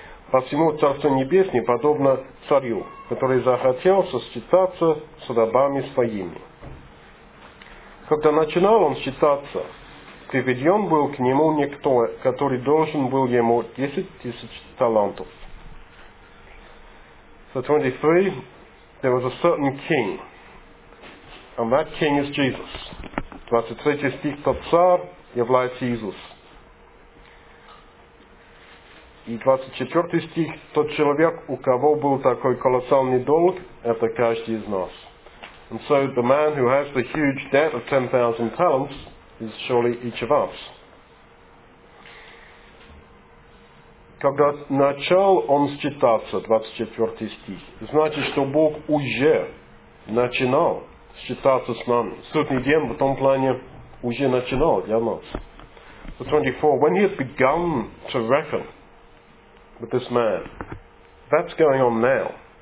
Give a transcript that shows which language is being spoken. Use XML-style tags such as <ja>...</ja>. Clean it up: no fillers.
<ru>Посему Царство Небесное подобно царю, который захотел сосчитаться с рабами своими. Когда начинал он считаться, приведен был к нему никто, который должен был ему 10 тысяч талантов.</ru> <en>So 23, there was a certain king, and that king is Jesus.</en> <ru>23 стих, тот царь является Иисус. И 24 стих, тот человек, у кого был такой колоссальный долг, это каждый из нас.</ru> <en>And so the man who has the huge debt of 10,000 talents is surely each of us.</en> <ru>Когда начал он считаться, 24 стих, значит, что Бог уже начинал считаться с нами. Судный день в том плане уже начинал для нас.</ru> <en>So 24, when he has begun to reckon with this man, that's going on now.</en>